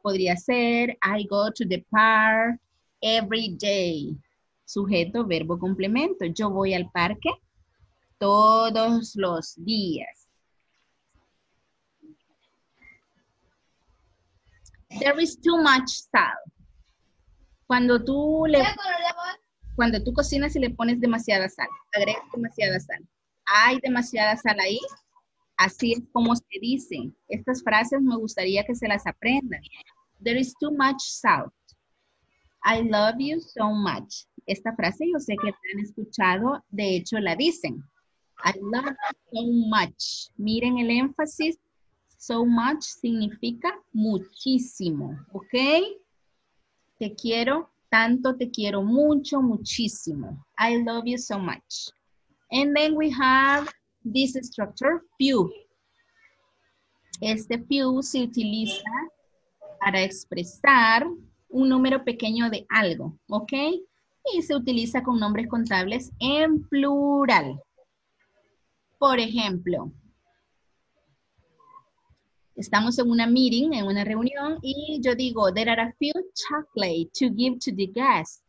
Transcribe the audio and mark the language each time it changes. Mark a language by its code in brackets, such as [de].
[es] Podría ser, [en] I go to the park every day. [es] Sujeto, verbo, complemento. Yo voy al parque todos los días. [en] There is too much sal. [es] Cuando tú cocinas y le pones demasiada sal, agregas demasiada sal. Hay demasiada sal ahí. Así es como se dicen. Estas frases me gustaría que se las aprendan. [en] There is too much salt. I love you so much. [es] Esta frase yo sé que han escuchado, de hecho la dicen. [en] I love you so much. [es] Miren el énfasis. So much significa muchísimo, ¿ok? Te quiero tanto, te quiero mucho, muchísimo. [en] I love you so much. And then we have this structure, few. [es] Este few se utiliza para expresar un número pequeño de algo, ¿ok? Y se utiliza con nombres contables en plural. Por ejemplo, estamos en una meeting, en una reunión, y yo digo, [en] there are a few chocolates to give to the guests.